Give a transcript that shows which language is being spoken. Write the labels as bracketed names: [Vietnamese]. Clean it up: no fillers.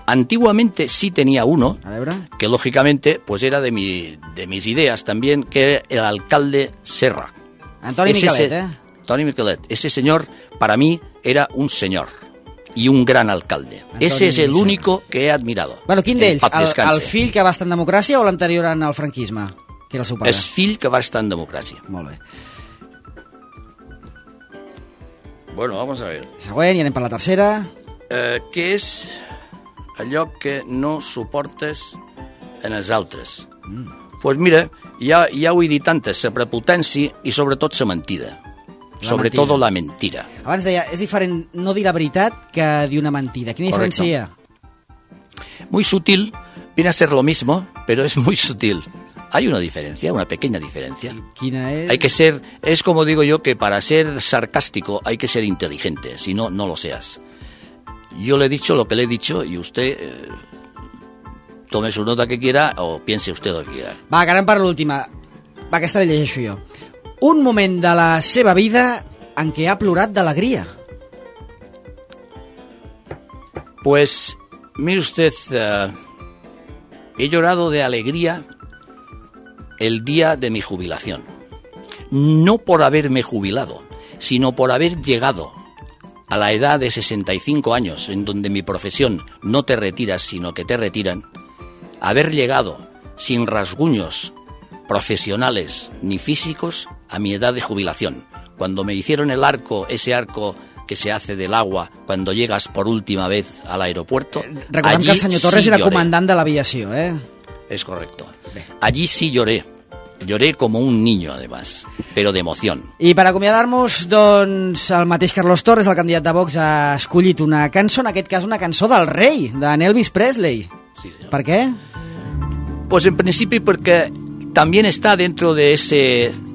[Spanish] Antiguamente sí tenía uno. [Catalan] A veure. [Spanish] Que lógicamente pues era de, mis ideas también, que era el alcalde Serra. Antoni ese Miquelet, Antoni Miquelet. Ese señor, para mí, era un señor. [Catalan] I un gran alcalde. [Spanish] Antoni Ese es el único que he admirado. [Catalan] Bueno, quin d'ells? El fill que va estar en democràcia o l'anterior en el franquisme? Que era el seu pare? El fill que va estar en democràcia. Molt bé. [Spanish] Bueno, vamos a ver. [Catalan] Següent, i anem per la tercera. Què és allò que no suportes en els altres? Mm. Pues mira, ja ho he dit antes, la prepotència i sobretot la mentida. Sobretot la mentira. Abans deia, és diferent no dir la veritat que dir una mentida. Quina diferència hi ha? [Spanish] Muy sutil, viene a ser lo mismo, pero es muy sutil. Hay una diferencia, una pequeña diferencia. [Catalan] ¿Quina és? [Spanish] Hay que ser, es como digo yo, que para ser sarcástico hay que ser inteligente, si no, no lo seas. Yo le he dicho lo que le he dicho y usted tome su nota que quiera o piense usted lo que quiera. [Catalan] Va, que anem per l'última. Va, aquesta la llegeixo jo. Un moment de la seva vida en què ha plorat d'alegria. [Spanish] Pues, mire usted, he llorado de alegría el día de mi jubilación. No por haberme jubilado, sino por haber llegado a la edad de 65 años, en donde mi profesión no te retiras, sino que te retiran. Haber llegado sin rasguños profesionales ni físicos a mi edad de jubilación, cuando me hicieron el arco, ese arco que se hace del agua cuando llegas por última vez al aeropuerto. [Catalan] Recordem que el senyor Torres era comandant de l'aviació, [Spanish] És correcto. Allí sí lloré. Lloré como un niño, además, pero de emoción. [Catalan] I per acomiadar-nos, doncs, el mateix Carlos Torres, el candidat de Vox, ha escollit una cançó, en aquest cas una cançó del rei, d'en Elvis Presley. Sí, senyor. Per què? [Spanish] Pues [Catalan] en principi perquè [Spanish] también está dentro de ese...